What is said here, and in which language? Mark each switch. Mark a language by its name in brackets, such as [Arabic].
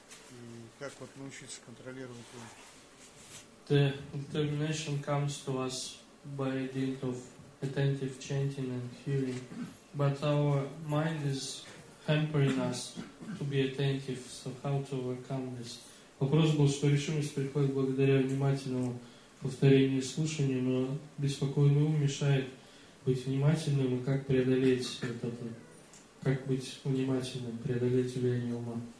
[Russian] И как вот научиться контролировать ум? [English] The determination comes to us by dint of attentive chanting and hearing. But our mind is hampering us to be attentive. So how to overcome this? [Russian] Вопрос был, что решимость приходит благодаря внимательному повторению и слушанию, но беспокойный ум мешает быть внимательным, и как преодолеть вот это? Как быть внимательным, преодолеть влияние ума?